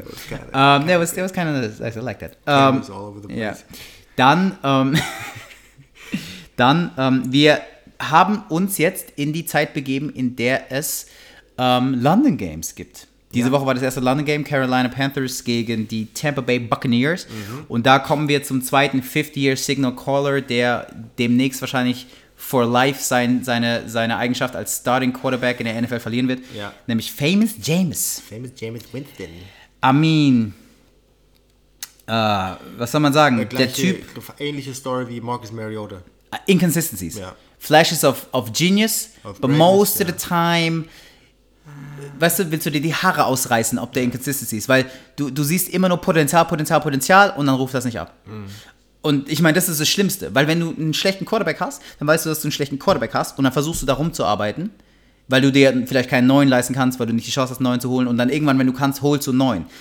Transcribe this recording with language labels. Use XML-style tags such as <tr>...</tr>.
<en>That was kind of nice. I like that. It was all over the place. Yeah.</en> <de>Dann, wir haben uns jetzt in die Zeit begeben, in der es London Games gibt. Diese Woche war das erste London Game, Carolina Panthers gegen die Tampa Bay Buccaneers. Mhm. Und da kommen wir zum zweiten 50-Year-Signal-Caller, der demnächst wahrscheinlich</de> <en>for life</en> <de>seine Eigenschaft als Starting Quarterback in der NFL verlieren wird. Ja. Nämlich Famous James. Famous James Winston.</de> <en>I mean,</en> <de>was soll man sagen? Der Typ. Ähnliche Story wie Marcus Mariota.</de> <en>Inconsistencies.</en> <de>Ja.</de> <en>Flashes of genius, of but most of the time.</en> <de>Weißt du, willst du dir die Haare ausreißen, ob der Inconsistency ist? Weil du siehst immer nur Potenzial, Potenzial, Potenzial und dann ruft das nicht ab. Mhm. Und ich meine, das ist das Schlimmste. Weil wenn du einen schlechten Quarterback hast, dann weißt du, dass du einen schlechten Quarterback hast und dann versuchst du da rumzuarbeiten, weil du dir vielleicht keinen neuen leisten kannst, weil du nicht die Chance hast, einen neuen zu holen und dann irgendwann, wenn du kannst, holst du einen neuen.</de>